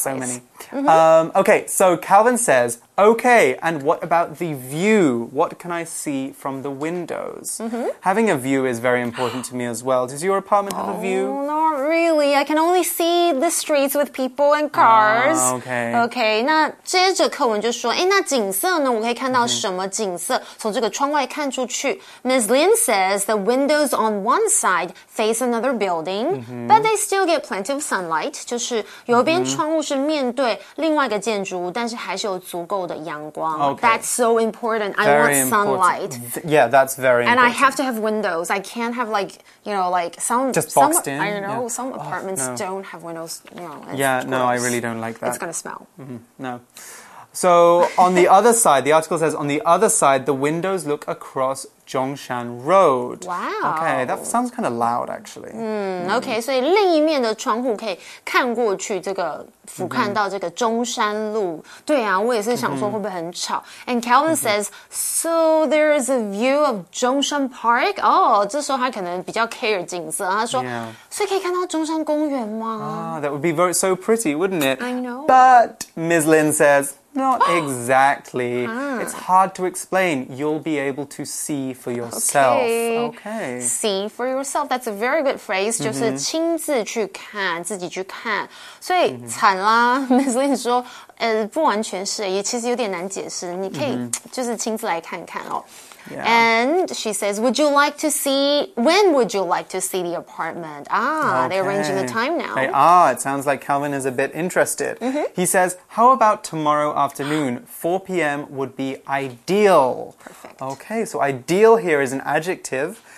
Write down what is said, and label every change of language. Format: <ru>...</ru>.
<en>So many.、Mm-hmm. Okay, so Calvin says, Okay, and what about the view? What can I see from the windows? Mm-hmm. Having a view is very important to me as well. Does your apartment have a view? Not really. I can only see the streets with people and cars. Okay,</en> <zh>那接着课文就说，诶，那景色呢？我可以看到什么景色？从这个窗外看出去。Ms.</zh> <en>Lin says the windows on one side face another building, but they still get plenty of sunlight.</en> <zh>就是有一边窗户是面对另外一个建筑物，但是还是有足够的阳光。</zh> <en>That's so important. I want sunlight. Yeah, that's very important. And I have to have windows. I can't have like, you know, like some... Just boxed some, in. I don't know. Some apartments don't have windows. You know, yeah, no, I really don't like that. It's going to smell. No. So on the other side, the article says, on the other side, the windows look across Zhongshan Road. Wow. Okay, that sounds kind of loud, actually. Okay, so</en> <zh>另一面的窗户可以看过去这个俯瞰到这个中山路。对啊，我也是想说会不会很吵。</zh> <en>And Calvin says, so there is a view of Zhongshan Park?</en> <zh>Oh, 这时候他可能比较 care 景色。他说，所以可以看到中山公园吗？</zh> <en>That would be very, so pretty, wouldn't it? I know. But Ms. Lin says,Not exactly. It's hard to explain. You'll be able to see for yourself. Okay. See for yourself. That's a very good phrase.</en> <zh>就是亲自去看，自己去看。所以惨啦，Ms. Lin 说，不完全是，也其实有点难解释。你可以就是亲自来看看哦。</zh> <en>Yeah. And she says, would you like to see, when would you like to see the apartment? They're arranging the time now. It sounds like Calvin is a bit interested. He says, how about tomorrow afternoon? 4 p.m. would be ideal. Perfect. Okay, so ideal here is an adjective.</en>